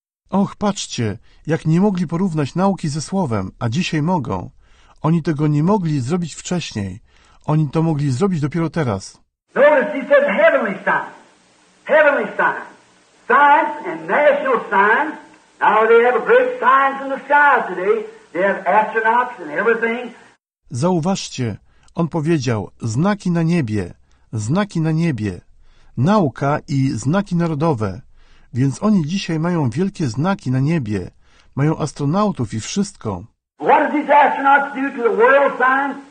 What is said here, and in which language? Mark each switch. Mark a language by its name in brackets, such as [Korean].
[Polish] Och, patrzcie, jak nie mogli porównać nauki ze Słowem, a dzisiaj mogą. Oni tego nie mogli zrobić wcześniej. Oni to mogli zrobić dopiero teraz. [English] Notice he said heavenly signs. Heavenly signs. Signs and national signs. Now they have a great signs in the skies today. They have astronauts and everything. [Polish] Zauważcie, on powiedział, znaki na niebie, znaki na niebie. Nauka i znaki narodowe. Więc oni dzisiaj mają wielkie znaki na niebie. Mają astronautów i wszystko. [English] What do these astronauts do to the world signs?